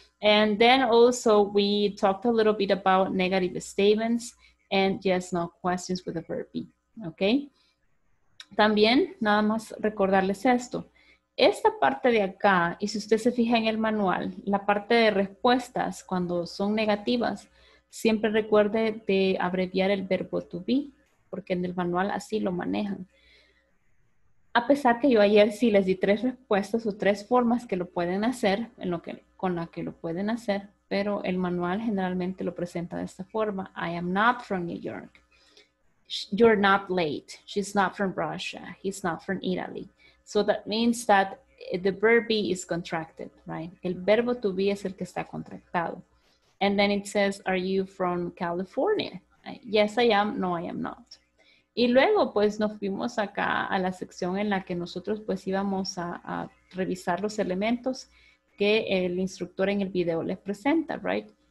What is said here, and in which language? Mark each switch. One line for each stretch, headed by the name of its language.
English: And then also we talked a little bit about negative statements and yes, no questions with the verb be, okay?
Spanish: También, nada más recordarles esto. Esta parte de acá, y si usted se fija en el manual, la parte de respuestas cuando son negativas, siempre recuerde de abreviar el verbo to be, porque en el manual así lo manejan. A pesar que yo ayer sí les di tres respuestas o tres formas que lo pueden hacer, en lo que, con la que lo pueden hacer, pero el manual generalmente lo presenta de esta forma.
English: I am not from New York. You're not late. She's not from Russia. He's not from Italy. So that means that the verb be is contracted, right?
Spanish: El verbo to be es el que está contractado.
English: And then it says, are you from California? Yes, I am. No, I am not.
Spanish: Y luego, pues, nos fuimos acá a la sección en la que nosotros, pues, íbamos a revisar los elementos que el instructor en el video les presenta, right?